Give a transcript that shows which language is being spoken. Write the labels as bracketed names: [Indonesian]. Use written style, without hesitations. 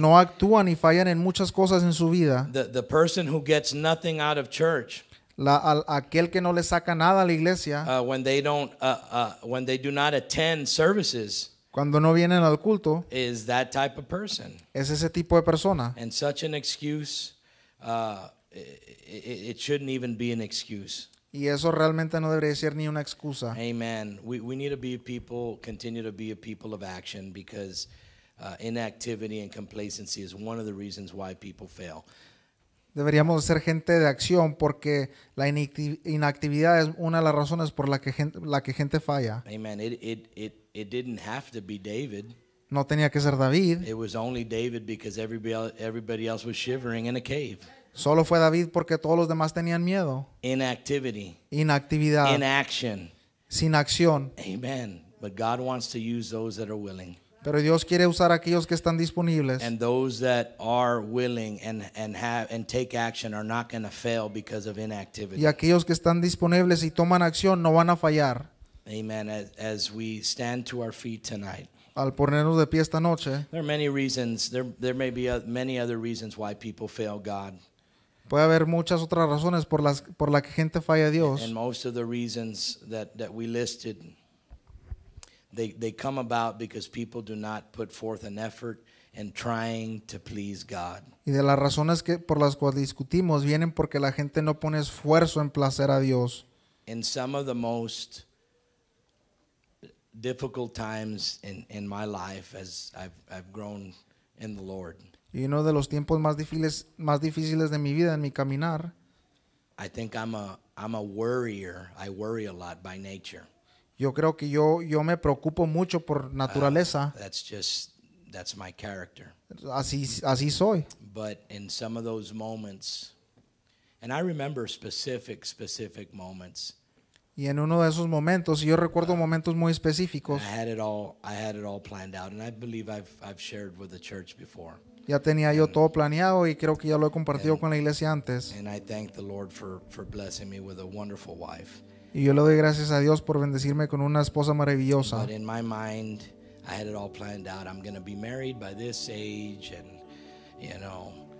[Spanish] No actúan y fallan en muchas cosas en su vida. [English] The person who gets nothing out of church. [Spanish] Aquel que no le saca nada a la iglesia. [English] When they do not attend services. [Spanish] Cuando no vienen al culto. [English] Is that type of person. [Spanish] Es ese tipo de persona. [English] And such an excuse, it shouldn't even be an excuse. [Spanish] Y eso realmente no debería ser ni una excusa. [English] Amen. We need to be a people, continue to be a people of action, because inactivity and complacency is one of the reasons why people fail. [Spanish] Deberíamos ser gente de acción porque la inactividad es una de las razones por la que gente falla. [English] Amen. It didn't have to be David. [Spanish] No tenía que ser David. [English] It was only David because everybody else was shivering in a cave. [Spanish] Solo fue David porque todos los demás tenían miedo. [English] Inactivity. [Spanish] Inactividad. [English] Inaction. [Spanish] Sin acción. [English] Amen. But God wants to use those that are willing. [Spanish] Pero Dios quiere usar aquellos que están disponibles. [English] And those that are willing and take action are not going to fail because of inactivity. [Spanish] Y aquellos que están disponibles y toman acción no van a fallar. [English] Amen. As we stand to our feet tonight. [Spanish] Al ponernos de pie esta noche. [English] There are many reasons. There may be many other reasons why people fail God. [Spanish] Puede haber muchas otras razones por la que gente falla a Dios. [English] And most of the reasons that we listed, they come about because people do not put forth an effort in trying to please God. [Spanish] Y de las razones que por las cuales discutimos vienen porque la gente no pone esfuerzo en placer a Dios. [English] In some of the most difficult times in my life as I've grown in the Lord. [Spanish] Y uno de los tiempos más difíciles de mi vida en mi caminar. [English] I think I'm a worrier. I worry a lot by nature. [Spanish] Yo creo que yo me preocupo mucho por naturaleza. [English] That's my character. [Spanish] Así soy. [English] But in some of those moments, and I remember specific moments. [Spanish] Y en uno de esos momentos, yo recuerdo momentos muy específicos. [English] I had it all planned out, and I believe I've shared with the church before. [Spanish] Ya tenía yo todo planeado y creo que ya lo he compartido con la iglesia antes. [English] And I thank the Lord for blessing me with a wonderful wife. [Spanish] Y yo le doy gracias a Dios por bendecirme con una esposa maravillosa. [English] But in my mind, I had it all planned out. I'm going to be married by this age, and you know.